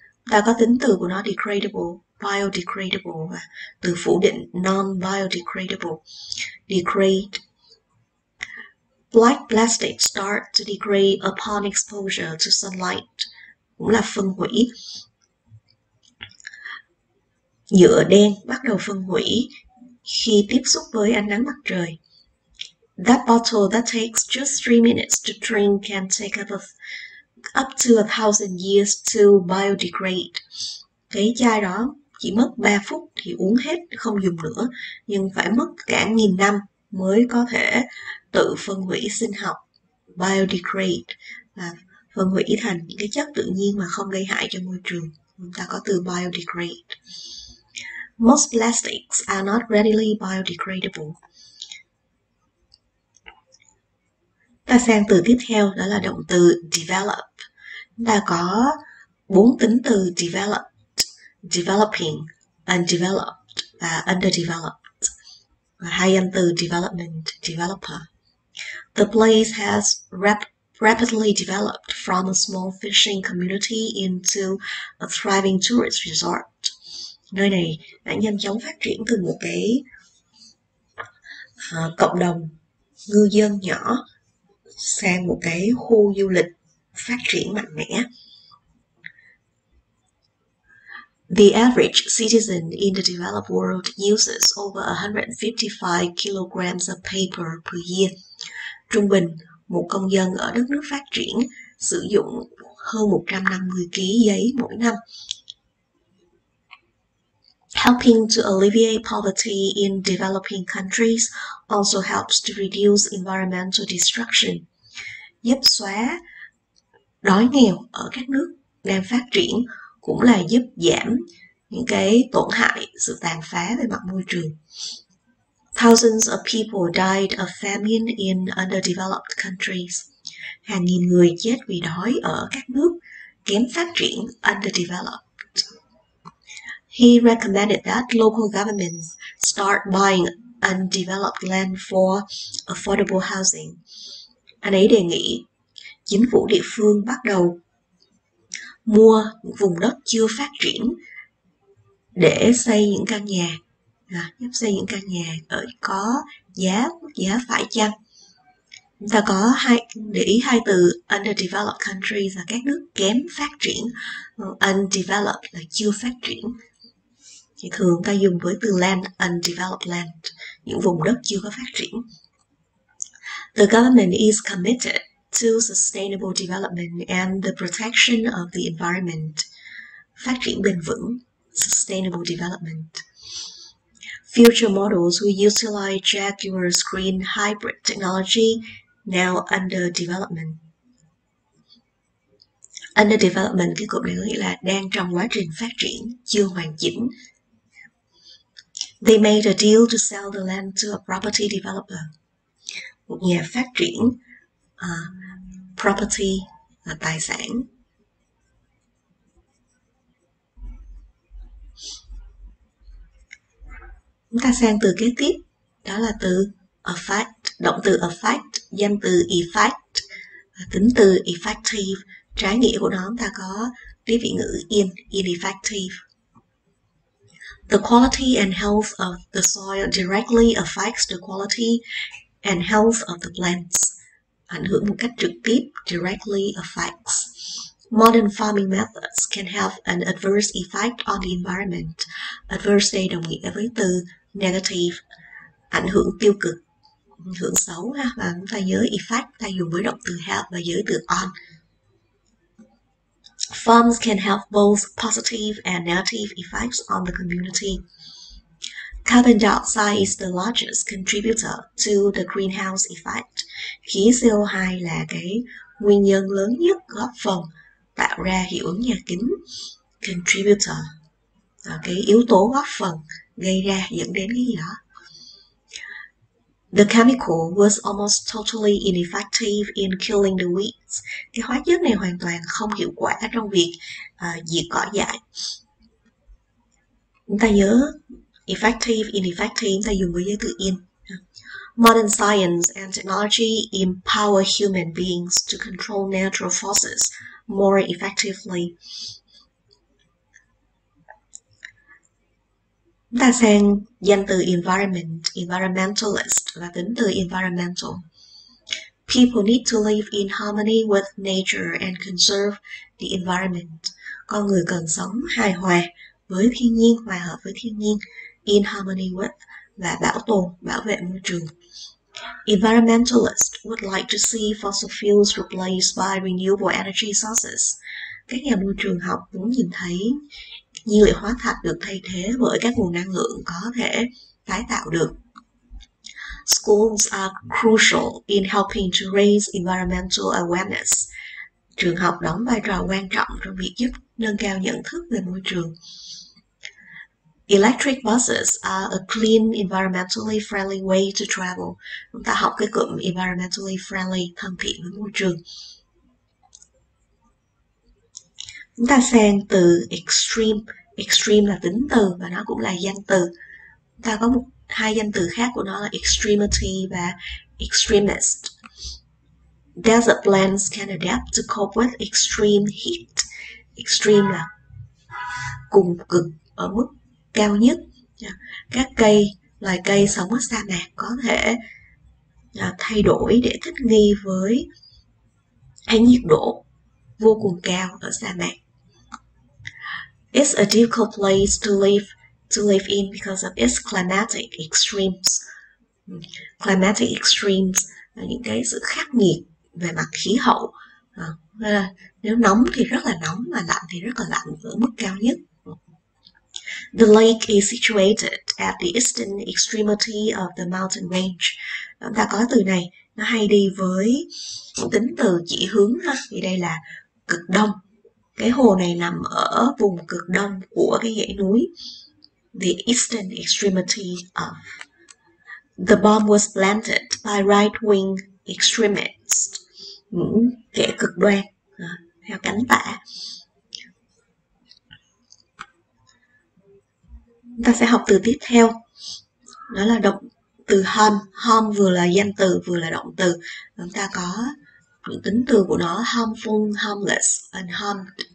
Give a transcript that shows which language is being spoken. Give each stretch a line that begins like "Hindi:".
Vietnamese: Ta có tính từ của nó degradable, biodegradable và từ phủ định non-biodegradable, degrade.
English: Black plastic start to degrade upon exposure to sunlight.
Vietnamese: Cũng là phân hủy. Nhựa đen bắt đầu phân hủy khi tiếp xúc với ánh nắng mặt trời.
English: That bottle that takes just 3 minutes to drink can take up to 1,000 years to biodegrade.
Vietnamese: Cái chai đó chỉ mất 3 phút thì uống hết, không dùng nữa. Nhưng phải mất cả nghìn năm mới có thể tự phân hủy sinh học, biodegrade, và phân hủy thành những cái chất tự nhiên mà không gây hại cho môi trường. Chúng ta có từ
English: biodegrade. Most plastics are not readily biodegradable.
Vietnamese: Ta sang từ tiếp theo, đó là động từ develop. Chúng ta có bốn tính từ developed, developing, undeveloped và underdeveloped. Và hai danh từ
English: development, developer. The place has rapidly developed from a small fishing community into a thriving tourist resort.
Vietnamese: Nơi này đã nhanh chóng phát triển từ một cái cộng đồng ngư dân nhỏ sang một cái khu du lịch phát triển mạnh mẽ.
English: The average citizen in the developed world uses over 155 kilograms of paper per year.
Vietnamese: Trung bình, một công dân ở đất nước phát triển sử dụng hơn 150 ký giấy mỗi năm.
English: Helping to alleviate poverty in developing countries also helps to reduce environmental destruction.
Vietnamese: Giúp xóa đói nghèo ở các nước đang phát triển cũng là giúp giảm những cái tổn hại, sự tàn phá về mặt môi trường.
English: Thousands of people died of famine in underdeveloped countries.
Vietnamese: Hàng nghìn người chết vì đói ở các nước kém phát triển, underdeveloped.
English: He recommended that local governments start buying undeveloped land for affordable housing.
Vietnamese: Anh ấy đề nghị chính phủ địa phương bắt đầu mua vùng đất chưa phát triển để xây những căn nhà, giúp xây những căn nhà ở có giá giá phải chăng. Chúng ta có hai để ý hai từ underdeveloped countries là các nước kém phát triển, undeveloped là chưa phát triển. Thì thường ta dùng với từ land, undeveloped land, những vùng đất chưa có phát triển.
English: The government is committed to sustainable development and the protection of the environment.
Vietnamese: Phát triển bền vững,
English: sustainable development. Future models will utilize Jaguar's green hybrid technology now under development.
Vietnamese: Under development, cái cụm này nghĩa là đang trong quá trình phát triển, chưa hoàn chỉnh.
English: They made a deal to sell the land to a property developer.
Vietnamese: Một nhà phát triển, property là tài sản. Chúng ta sang từ kế tiếp, đó là từ affect, động từ affect, danh từ effect, tính từ effective. Trái nghĩa của nó chúng ta có đi vị ngữ in, ineffective.
English: The quality and health of the soil directly affects the quality and health of the plants.
Vietnamese: Ảnh hưởng một cách trực tiếp,
English: directly affects. Modern farming methods can have an adverse effect on the environment.
Vietnamese: Adverse đây đồng nghĩa với từ negative, ảnh hưởng tiêu cực, ảnh hưởng xấu ha. Và chúng ta nhớ effect, ta dùng với động từ have và giới từ on.
English: Farms can have both positive and negative effects on the community. Carbon dioxide is the largest contributor to the greenhouse effect.
Vietnamese: Khí CO2 là cái nguyên nhân lớn nhất góp phần tạo ra hiệu ứng nhà kính. Contributor là cái yếu tố góp phần gây ra, dẫn đến cái gì đó.
English: The chemical was almost totally ineffective in killing the weeds.
Vietnamese: Cái hóa chất này hoàn toàn không hiệu quả trong việc diệt cỏ dại. Chúng ta nhớ effective, ineffective, chúng ta dùng với giới từ in.
English: Modern science and technology empower human beings to control natural forces more effectively.
Vietnamese: Chúng ta sang danh từ environment, environmentalist và tính từ environmental.
English: People need to live in harmony with nature and conserve the environment.
Vietnamese: Con người cần sống hài hòa với thiên nhiên, hòa hợp với thiên nhiên,
English: in harmony with
Vietnamese: và bảo tồn, bảo vệ môi trường.
English: Environmentalist would like to see fossil fuels replaced by renewable energy sources.
Vietnamese: Các nhà môi trường học muốn nhìn thấy nhiên liệu hóa thạch được thay thế bởi các nguồn năng lượng có thể tái tạo được.
English: Schools are crucial in helping to raise environmental awareness.
Vietnamese: Trường học đóng vai trò quan trọng trong việc giúp nâng cao nhận thức về môi trường.
English: Electric buses are a clean, environmentally friendly way to travel.
Vietnamese: Chúng ta học cái cụm environmentally friendly, thân thiện với môi trường. Chúng ta sang từ extreme. Extreme là tính từ và nó cũng là danh từ. Chúng ta có hai danh từ khác của nó là extremity và extremist.
English: Desert plants can adapt to cope with extreme heat.
Vietnamese: Extreme là cùng cực, ở mức cao nhất. Các cây, loài cây sống ở sa mạc có thể thay đổi để thích nghi với cái nhiệt độ vô cùng cao ở sa mạc.
English: It's a difficult place to live in because of its climatic extremes.
Vietnamese: Climatic extremes là những cái sự khắc nghiệt về mặt khí hậu. Nếu nóng thì rất là nóng, mà lạnh thì rất là lạnh ở mức cao nhất.
English: The lake is situated at the eastern extremity of the mountain range.
Vietnamese: Chúng ta có từ này, nó hay đi với tính từ chỉ hướng ha, thì đây là cực đông. Cái hồ này nằm ở vùng cực đông của cái dãy núi.
English: The eastern extremity of. The bomb was planted by right-wing extremists.
Vietnamese: Những kẻ cực đoan, theo cánh tả. Chúng ta sẽ học từ tiếp theo. Đó là động từ home. Home vừa là danh từ vừa là động từ. Chúng ta có những tính từ của nó: harmful, harmless, and harmed.